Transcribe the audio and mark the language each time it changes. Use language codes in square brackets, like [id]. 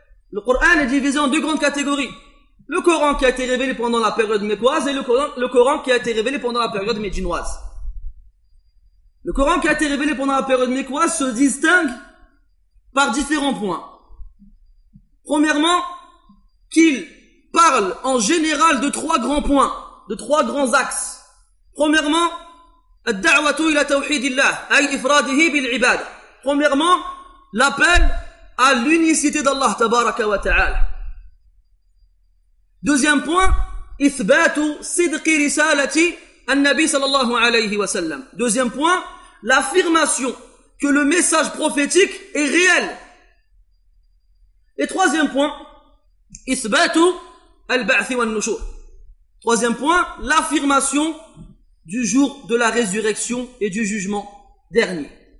[fr] Le Coran est divisé en deux grandes catégories. Le Coran qui a été révélé pendant la période mekwaz et le Coran qui a été révélé pendant la période médinoise. Le Coran qui a été révélé pendant la période mekwaz se distingue par différents points. Premièrement, qu'il parle en général de trois grands points, de trois grands axes. Premièrement, [ar] الدعوة إلى توحيد الله أي إفراده بالعبادة. [fr] Premièrement, l'appel à l'unicité d'Allah تبارك وتعالى. Deuxième point, [ar] إثبات صدق رسالة النبي صلى الله عليه وسلم. [fr] Deuxième point, l'affirmation que le message prophétique est réel. Et troisième point, [ar] إثبات البعث والنشور. [fr] Troisième point, l'affirmation du jour de la résurrection et du jugement dernier.